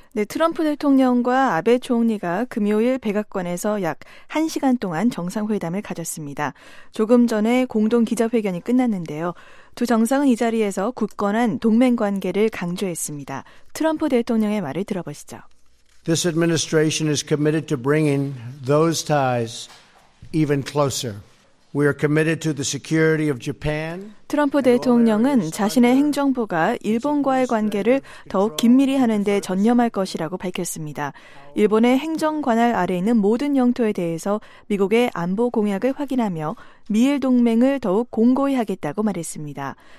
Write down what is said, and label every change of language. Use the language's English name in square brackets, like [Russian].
[Korean] 네, 트럼프 대통령과 아베 총리가 금요일 백악관에서 약 1시간 동안 정상회담을 가졌습니다. 조금 전에 공동 기자회견이 끝났는데요. 두 정상은 이 자리에서 굳건한 동맹관계를 강조했습니다. 트럼프 대통령의 말을 들어보시죠. [English] This administration is committed to bringing those ties even closer. We are committed to the security of Japan. [Korean] 트럼프 대통령은 자신의 행정부가 일본과의 관계를 더욱 긴밀히 하는 데 전념할 것이라고 밝혔습니다. 일본의 행정 관할 아래 있는 모든 영토에 대해서 미국의 안보 공약을 확인하며 미일 동맹을 더욱 공고히 하겠다고 말했습니다.